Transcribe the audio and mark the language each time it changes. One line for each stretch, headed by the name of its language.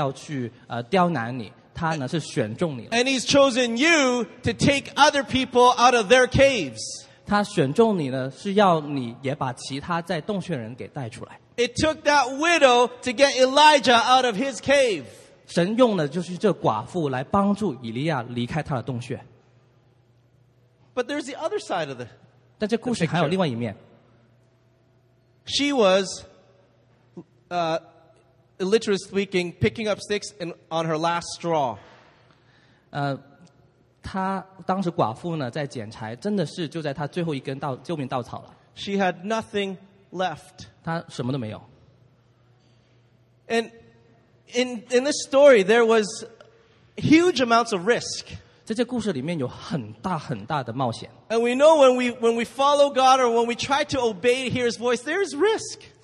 Chinese: 当我们知道我们的神是孤儿寡妇的守护者的时候，你就知道他绝对不是要去刁难你，他呢是选中你了。
English: And he's chosen you to take other people out of their caves.
Chinese: 他选中你呢，是要你也把其他在洞穴人给带出来。
English: It took that widow to get Elijah out of his cave.
Chinese: 神用的就是这寡妇来帮助以利亚离开他的洞穴。
English: But there's the other side of the.
Chinese: 但这故事还有另外一面。
English: She was, literally speaking, picking up sticks and on her last straw.
Chinese: 她当时寡妇呢,在捡柴,真的是就在她最后一根救命稻草了。
English: She had nothing left.
Chinese: 她什么都没有。
English: And in this story, there was huge amounts of risk.
Chinese: 在这故事里面有很大很大的冒险。
English: And we know when we follow God or when we try to obey, hear his voice, there is risk.